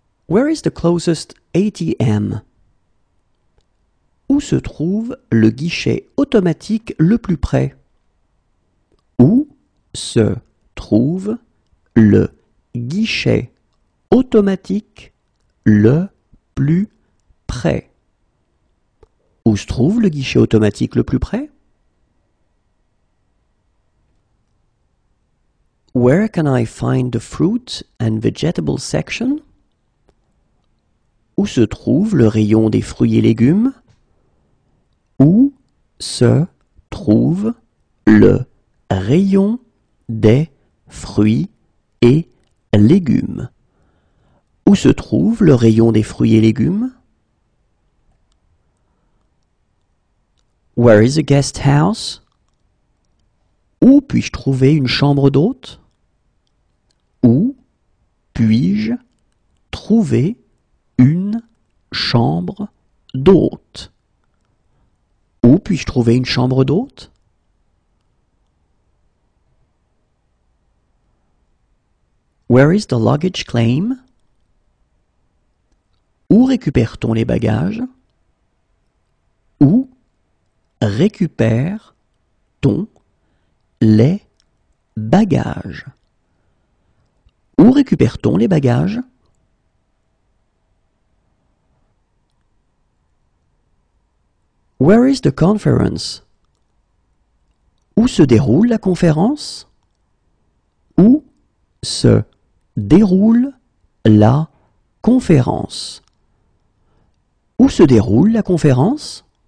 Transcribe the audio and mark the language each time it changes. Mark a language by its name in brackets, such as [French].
[English] Where is the closest ATM? [French] Où se trouve le guichet automatique le plus près? Où se trouve le guichet automatique le plus près? Où se trouve le guichet automatique le plus près? [English] Where can I find the fruit and vegetable section? [French] Où se trouve le rayon des fruits et légumes? Où se trouve le rayon des fruits et légumes? Où se trouve le rayon des fruits et légumes? [English] Where is a guest house? [French] Où puis-je trouver une chambre d'hôte? Où puis-je trouver une chambre d'hôte? Où puis-je trouver une chambre d'hôte? [English] Where is the luggage claim? [French] Où récupère-t-on les bagages? Où récupère-t-on les bagages? Où récupère-t-on les bagages? [English] Where is the conference? [French] Où se déroule la conférence? Où se déroule la conférence? Où se déroule la conférence?